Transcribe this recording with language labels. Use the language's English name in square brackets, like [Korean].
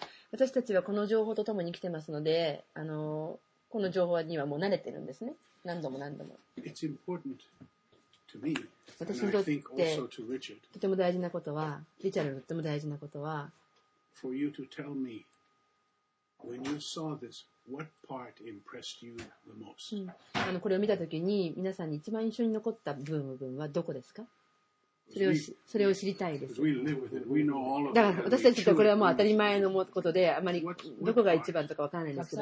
[Japanese] 私たちはこの情報とともに来てますので、この情報にはもう慣れてるんですね。何度も何度も。 [English] It's important to me. [Japanese] 私にとってとても大事なことは、リチャードにとっても大事なことは、 [English] For you to tell me, when you saw this,What part impressed you the most? [Japanese] これを見たときに皆さんに一番印象に残った部分はどこですか？それを知りたいです。だから私たちとこれはもう当たり前のことで、あまりどこが一番とかわからないんですけど。